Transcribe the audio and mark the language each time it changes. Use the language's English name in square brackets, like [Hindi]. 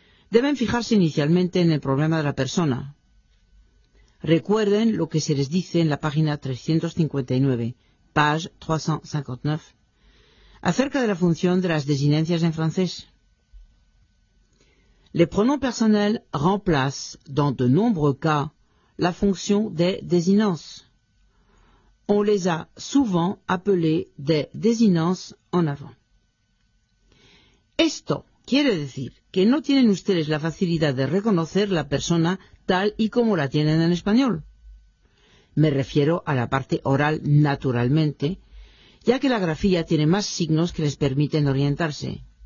[Spanish] Deben fijarse inicialmente en el problema de la persona. Recuerden lo que se les dice en la página 359, page 359, acerca de la función de las desinencias en francés. [French] Le pronom personnel remplace, dans de nombreux cas, la fonction des désinences. On les a souvent appelés des désinences en avant. [Spanish] Esto quiere decir que no tienen ustedes la facilidad de reconocer la persona tal y como la tienen en español. Me refiero a la parte oral, naturalmente, ya que la grafía tiene más signos que les permiten orientarse.